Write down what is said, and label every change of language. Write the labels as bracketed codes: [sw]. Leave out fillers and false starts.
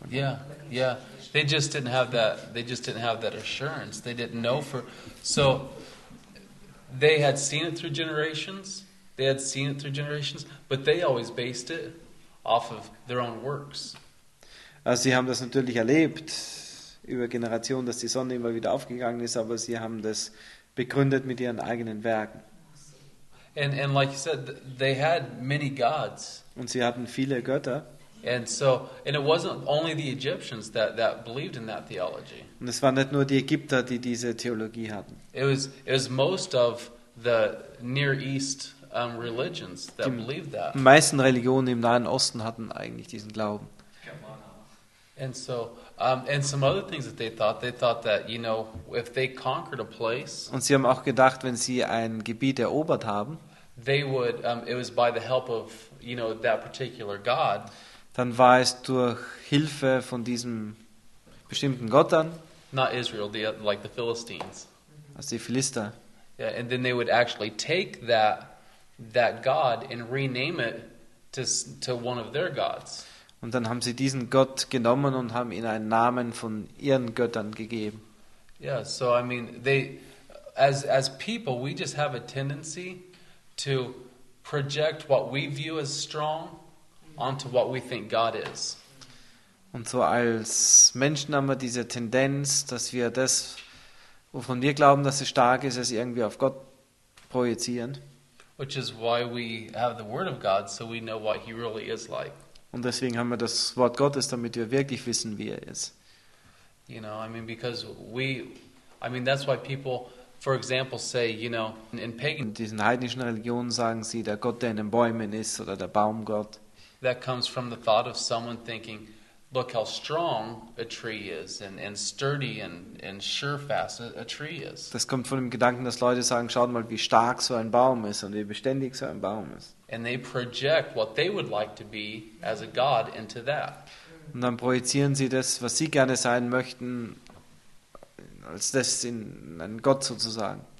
[en] Yeah. They just didn't have that. They just didn't have that assurance. They didn't know for. So they had seen it through generations. But they always based it off of their own works. [de] Also, sie haben das natürlich erlebt. Über Generationen, dass die Sonne immer wieder aufgegangen ist, aber sie haben das begründet mit ihren eigenen Werken. [en] And like you said, they had many gods. [de] Und sie hatten viele Götter. [en] And it wasn't only the Egyptians that believed in that theology. [de] Und es waren nicht nur die Ägypter, die diese Theologie hatten. [en] It was most of the Near East religions that believed that. [de] Die meisten Religionen im Nahen Osten hatten eigentlich diesen Glauben. [en] And some other things that they thought that, you know, if they conquered a place, [de] und sie haben auch gedacht, wenn sie ein Gebiet erobert haben, [en] they would it was by the help of, you know, that particular god, [de] dann war es durch Hilfe von diesem bestimmten Gott dann, [en] not Israel, the Philistines, [de] also die Philister, [en] yeah, and then they would actually take that god and rename it to one of their gods. [de] Und dann haben sie diesen Gott genommen und haben ihn einen Namen von ihren Göttern gegeben. [en] Yeah, so I mean, they as people, we just have a tendency to project what we view as strong onto what we think God is. [de] Und so als Menschen haben wir diese Tendenz, dass wir das, wovon wir glauben, dass es stark ist, es irgendwie auf Gott projizieren. [en] Which is why we have the Word of God, so we know what He really is like. [de] Und deswegen haben wir das Wort Gottes, damit wir wirklich wissen, wie er ist. [en] You know, I mean, because that's why people, for example, say, you know, in pagan, [de] in diesen heidnischen Religionen sagen sie, der Gott, der in den Bäumen ist, oder der Baumgott. [en] That comes from the thought of someone thinking, look how strong a tree is, and sturdy and sure fast a tree is. [de] Das kommt von dem Gedanken, dass Leute sagen, schaut mal, wie stark so ein Baum ist und wie beständig so ein Baum ist. [en] And they project what they would like to be as a god into that. [de] Und dann projizieren sie das, was sie gerne sein möchten, als das in einen Gott sozusagen.